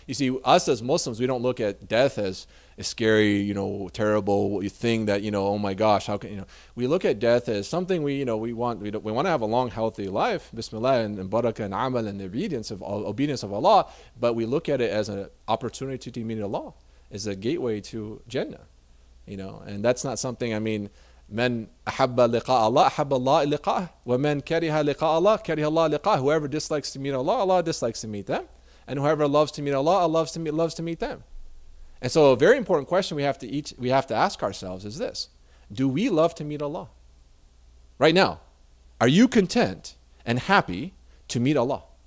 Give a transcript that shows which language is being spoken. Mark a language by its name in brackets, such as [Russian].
[English] You see, us as Muslims, we don't look at death as a scary, you know, terrible thing that, you know, oh my gosh, how can, you know. We look at death as something we, you know, we want to have a long, healthy life, bismillah, and barakah, and amal, and the obedience of Allah, but we look at it as an opportunity to meet Allah, as a gateway to Jannah, you know. And that's not something, I mean, [Arabic] من أحب لقاء الله أحب الله لقاءه ومن كره لقاء الله كره الله لقاءه. [English] Whoever dislikes to meet Allah, Allah dislikes to meet them. And whoever loves to meet Allah, Allah loves to meet them. And so a very important question we have to ask ourselves is this: do we love to meet Allah? Right now, are you content and happy to meet Allah?